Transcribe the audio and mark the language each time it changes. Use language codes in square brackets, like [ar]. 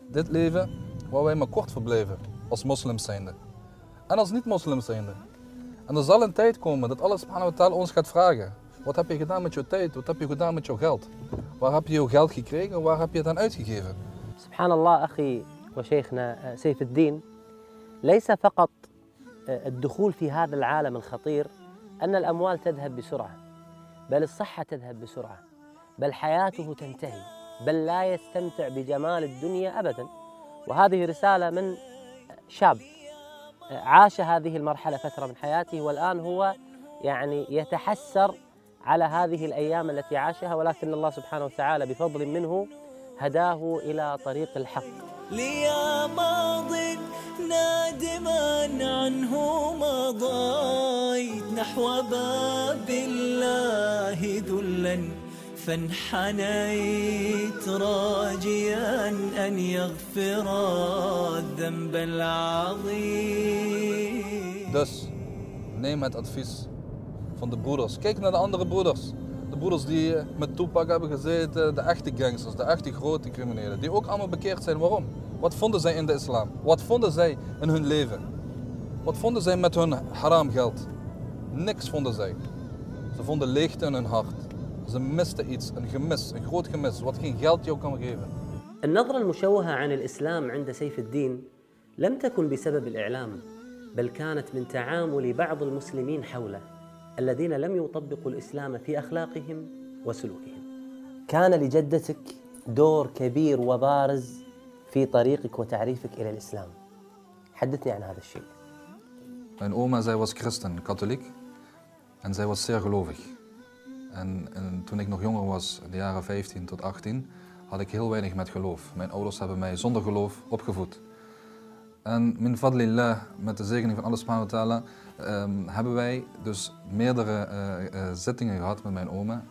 [nl] Dit leven waar wij maar kort verbleven als moslims zijnde. En als niet-moslims zijnde. En er zal een tijd komen dat Allah subhanahu wa ta'ala ons gaat vragen. Wat heb je gedaan met jouw tijd? Wat heb je gedaan met jouw geld? Waar heb je jouw geld gekregen? Waar heb je het aan uitgegeven? [ar] Subhanallah, akhi wa sheikhna Saif al-Din. ليس فقط الدخول في هذا العالم الخطير أن الأموال تذهب بسرعة بل الصحة تذهب بسرعة بل حياته تنتهي بل لا يستمتع بجمال الدنيا أبدا وهذه رسالة من شاب عاش هذه المرحلة فترة من حياته والآن هو يعني يتحسر على هذه الأيام التي عاشها ولكن الله سبحانه وتعالى بفضل منه هداه إلى طريق الحق ليا ماضٍ نادماً عنه مضيت نحو باب الله ذلاً فانحنيت راجيا أن يغفر الذنب العظيم. [nl] Dus neem het advies van de broeders. Kijk naar de andere broeders. De broeders die met Tupac hebben gezeten, de echte gangsters, de echte grote criminelen, die ook allemaal bekeerd zijn. Waarom? Wat vonden zij in de islam? Wat vonden zij in hun leven? Wat vonden zij met hun haram geld? Niks vonden zij. Ze vonden leegte in hun hart. Ze misten iets, een gemis, een groot gemis, wat geen geld jou kan geven. De nadra al-mushawaha aan de islam [ar] عند سيف الدين لم تكن بسبب الإعلام بل كانت من تعامل بعض المسلمين حوله الذين لم يطبقوا الإسلام في أخلاقهم وسلوكهم. كان لجدتك دور كبير وبارز في طريقك وتعريفك إلى الإسلام. حدثني عن هذا الشيء. [nl] Mijn oma, zij was christen, katholiek. En zij was zeer gelovig. En toen ik nog jonger was, in de jaren 15 tot 18, had ik heel weinig met geloof. Mijn ouders hebben mij zonder geloof opgevoed. En [ar] min fadlillah, [nl] met de zegening van Allah subhanahu wa ta'ala, hebben wij dus meerdere zittingen gehad met mijn oma.